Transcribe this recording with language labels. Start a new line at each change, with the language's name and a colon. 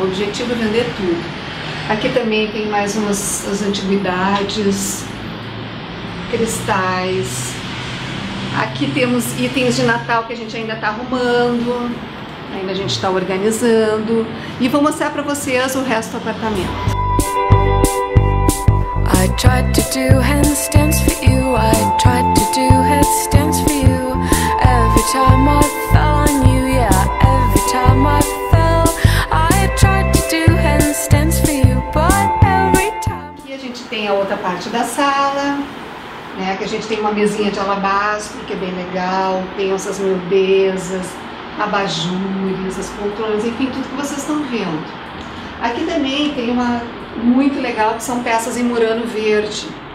Portuguese: O objetivo é vender tudo. Aqui também tem mais as antiguidades, cristais. Aqui temos itens de Natal que a gente ainda está arrumando, ainda a gente está organizando. E vou mostrar para vocês o resto do apartamento.
English: I tried to do handstands for you, I tried to do headstands for you. Every time I fell on you, yeah, every time I fell. I tried to do handstands for you, but every time.
Portuguese: Aqui a gente tem a outra parte da sala, né? Que a gente tem uma mesinha de alabastro, que é bem legal, tem essas mudezas, abajures, as poltronas, enfim, tudo que vocês estão vendo. Aqui também tem uma muito legal, que são peças em murano verde.